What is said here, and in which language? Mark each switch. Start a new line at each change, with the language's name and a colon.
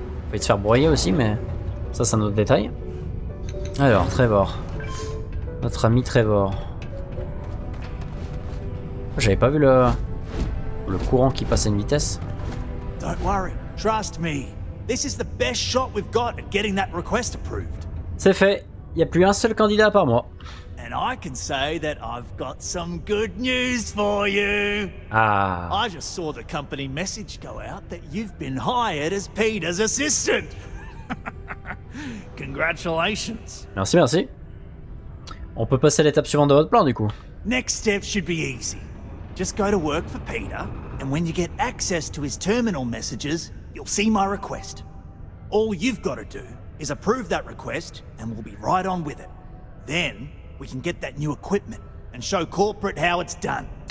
French: Faut se faire broyer aussi, mais ça, c'est un autre détail. Alors, Trevor. Notre ami Trevor. J'avais pas vu le courant qui passe à une vitesse.
English: Don't worry. Trust me. This is the best shot we've got at getting that request approved.
French: C'est fait. Il y a plus un seul candidat à part moi.
English: And I can say that I've got some good news for you. Ah. I just saw the company message go out that you've been hired as Peter's assistant. Congratulations.
French: Merci, merci. On peut passer à l'étape suivante de votre plan, du coup.
English: Next step should be easy. Just go to work for Peter, and when you get access to his terminal messages, you'll see my request. All you've got to do is approve that request, and we'll be right on with it. Then, we can get that new equipment, and show corporate how it's done.